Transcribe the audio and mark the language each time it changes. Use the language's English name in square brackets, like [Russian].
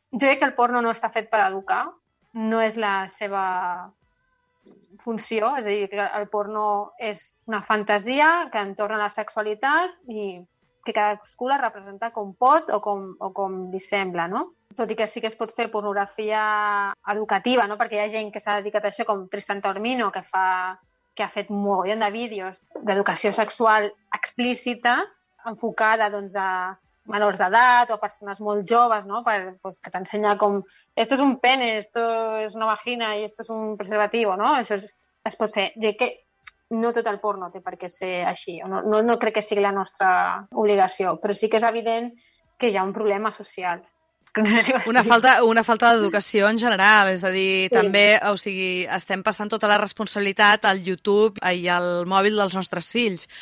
[Catalan] Jo crec que el porno no està fet per educar, no és la seva funció, és a dir, que el porno és una fantasia que entorna la sexualitat i que cadascú la representa com pot o com li sembla, no? Tot i que sí que es pot fer pornografia educativa, no? Perquè hi ha gent que s'ha dedicat a això, com Tristan Taormino, que ha fet un mogollon de vídeos d'educació sexual explícita, enfocada, doncs, a menors d'edat o persones molt joves, no? Pues, que t'ensenya com [Spanish] esto es un pene, esto es una vagina y esto es un preservativo, no? [Catalan] Això es pot fer. Jo crec que no tot el porno té per què ser així. No crec que sigui la nostra obligació, però sí que és evident que hi ha un problema social. Una falta d'educació en general, és a dir, sí. També, o sigui, estem passant tota la responsabilitat al YouTube i al mòbil dels nostres fills.